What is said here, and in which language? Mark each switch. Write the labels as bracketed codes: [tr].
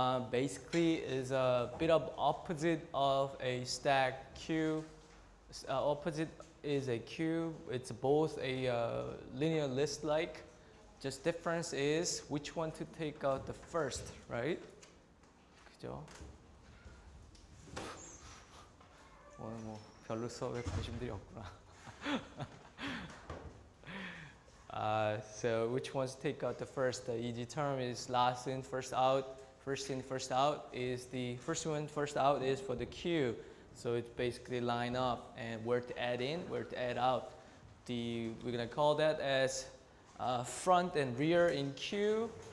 [en] Basically, is a bit of opposite of a stack queue. Opposite is a queue. It's both a linear list like. Just difference is which one to take out the first, right? [ko] 그죠? 오늘 뭐 별로 수업에 관심들이 없구나. [en] So which one to take out the first? The easy term is last in, first out. First one, first out is for the queue. So it's basically line up and where to add in, where to add out. We're gonna call that as front and rear in queue.